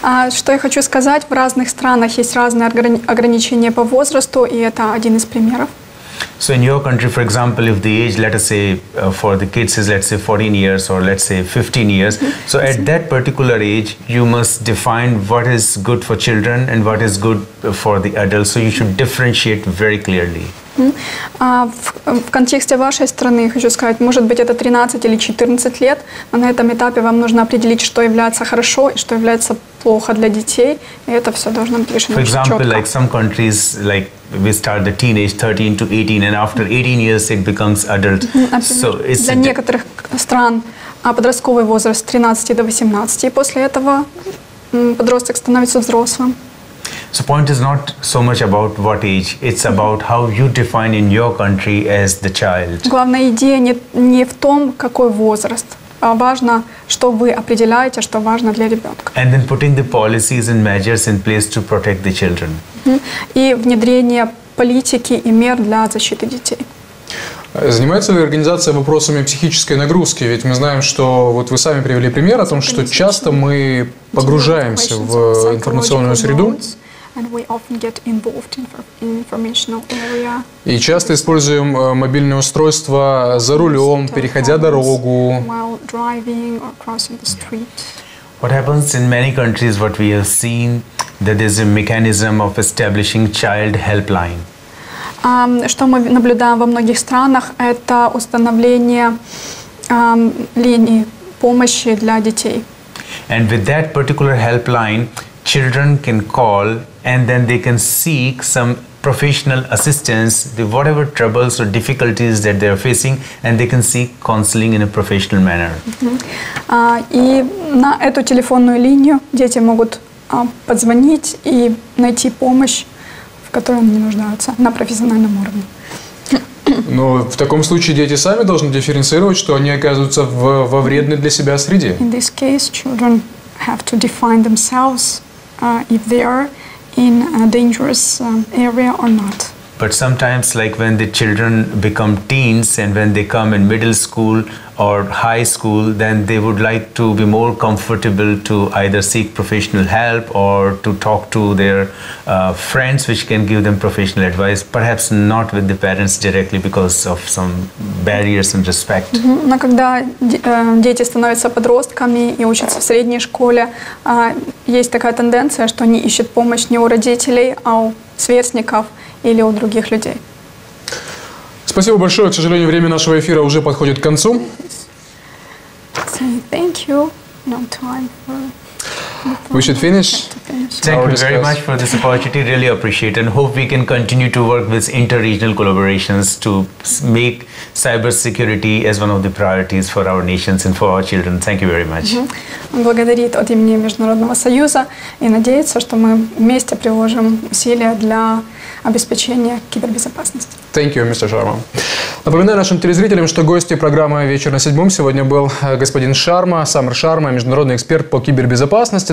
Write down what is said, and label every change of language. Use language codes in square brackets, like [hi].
[ru] Что я хочу сказать, в разных странах есть разные ограничения по возрасту, и это один из примеров. [en] So in your country, for example, if the age, let us say, for the kids is, let's say, 14 years or let's say 15 years, so at that particular age, you must define what is good for children and what is good for the adults, so you should differentiate very clearly. [ru] В контексте вашей страны, хочу сказать, может быть, это 13 или 14 лет, но на этом этапе вам нужно определить, что является хорошо и что является плохо для детей, и это все должно быть решено четко. [en] For example, like some countries, like we start the teenage 13 to 18, and after 18 years it becomes adult. [ru] Для некоторых стран подростковый возраст 13 до 18, и после этого подросток становится взрослым. [en] So point is not so much about what age, it's about how you define in your country as the child. [ru] Главная идея не в том, какой возраст, а важно, что вы определяете, что важно для ребенка. [en] And then putting the policies and measures in place to protect the children. [ru] И внедрение политики и мер для защиты детей. Занимается ли организация вопросами психической нагрузки? Ведь мы знаем, что вот вы сами привели пример о том, что часто мы погружаемся в информационную среду. [en] And we often get involved in informational area. [ru] И часто используем мобильные устройства за рулем, переходя дорогу. [en] While driving or crossing the street. What happens in many countries, what we have seen, that there's a mechanism of establishing child helpline. [ru] Что мы наблюдаем во многих странах, это установление линии помощи для детей. [en] And with that particular helpline, children can call and then they can seek some professional assistance, the whatever troubles or difficulties that they are facing, and they can seek counseling in a professional manner. [ru] И на эту телефонную линию дети могут позвонить и найти помощь, в которой они нуждаются, на профессиональном уровне. Но в таком случае дети сами должны дифференцировать, что они оказываются во вредной для себя среде. [en] In this case, children have to define themselves if they are in a dangerous area or not. But sometimes, like when the children become teens and when they come in middle school or high school, then they would like to be more comfortable to either seek professional help or to talk to their friends, which can give them professional advice, perhaps not with the parents directly because of some barriers and respect. [ru] Но когда дети становятся подростками и учатся в средней школе, есть такая тенденция, что они ищут помощь не у родителей, а у сверстников или у других людей. Спасибо большое. К сожалению, время нашего эфира уже подходит к концу. [en] Thank you. No time for... We should finish. Thank you very much for this opportunity. Really appreciate and hope we can continue to work with inter-regional collaborations to make cybersecurity as one of the priorities for our nations and for our children. Thank you very much. [ru] Благодарит от имени Международного союза и надеется, что мы вместе приложим усилия для обеспечения кибербезопасности. [en] Thank you, Mr. Sharma. [ru] Напоминаю нашим телезрителям, что гостью программы «Вечер на седьмом» сегодня был господин Шарма, Самар Шарма, международный эксперт по кибербезопасности.